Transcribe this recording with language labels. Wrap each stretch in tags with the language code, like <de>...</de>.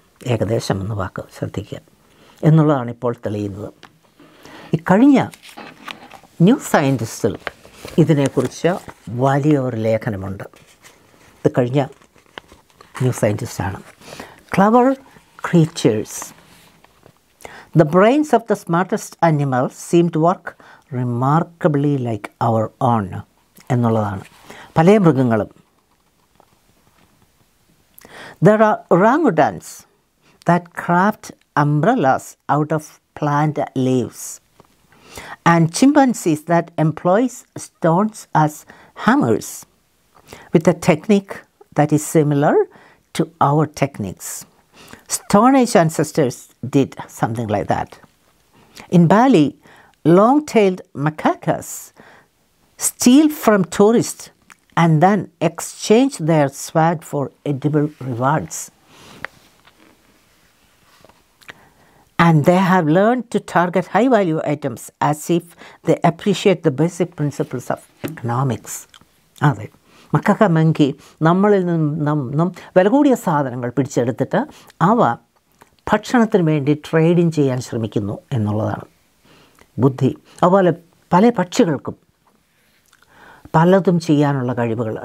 <ml>ഏകദേശം എന്ന വാക്ക് ശ്രദ്ധിക്കുക എന്നുള്ളതാണ് ഇപ്പോൾ തെളിയുന്നത്. ഇക്കഴിഞ്ഞ ന്യൂ സയൻറ്റിസ്റ്റിൽ ഇതിനെക്കുറിച്ച് വലിയൊരു ലേഖനമുണ്ട്. ഇത് കഴിഞ്ഞ new സയൻറ്റിസ്റ്റാണ്. Clever</ml> <en>creatures. The brains of the smartest animals seem to work remarkably like our own.</en> <ml>എന്നുള്ളതാണ്. പല മൃഗങ്ങളും,</ml> <en>there are orangutans that craft umbrellas out of plant leaves and chimpanzees that employ stones as hammers with a technique that is similar to our techniques. Stone Age ancestors did something like that. In Bali, long-tailed macaques steal from tourists and then exchange their swag for edible rewards. And they have learned to target high-value items as if they appreciate the basic principles of economics. Are they?</en> <ml>മക്കക്ക monkey നമ്മളിൽ നിന്നും വില കൂടിയ സാധനങ്ങൾ പിടിച്ചെടുത്തിട്ട് അവ ഭക്ഷണത്തിന് വേണ്ടി trading ചെയ്യാൻ ശ്രമിക്കുന്നു എന്നുള്ളതാണ് ബുദ്ധി. അതുപോലെ പല പക്ഷികൾക്കും പലതും ചെയ്യാനുള്ള കഴിവുകൾ.</ml>